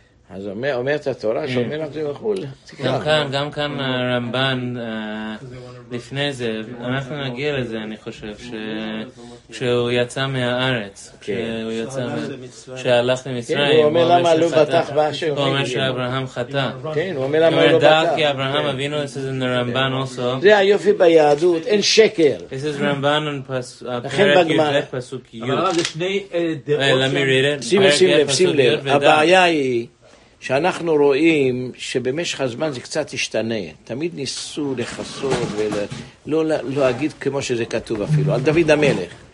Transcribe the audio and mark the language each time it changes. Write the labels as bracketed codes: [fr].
[he] אז אומרת התורה שאומר לך זה וכו'. גם כאן הרמב"ן לפני זה, אנחנו נגיע לזה, אני חושב, ש... כשהוא יצא מהארץ, כשהוא יצא, כשהלך למצרים, הוא אומר למה לא בטח באשר, הוא אומר שאברהם חטא. כן, הוא אומר למה לא בטח. הוא אומר כי אברהם אבינו, [en] this is in the Ramban also. [he] זה היופי ביהדות, אין שקר. [en] This is Ramban on פרק י' פסוק י'. [he] אבל זה שני דעות. [en] Let me read it. [he] שים לב, הבעיה היא שאנחנו רואים שבמשך הזמן זה קצת השתנה. תמיד ניסו לחסות ולא להגיד כמו שזה כתוב אפילו, על דוד המלך.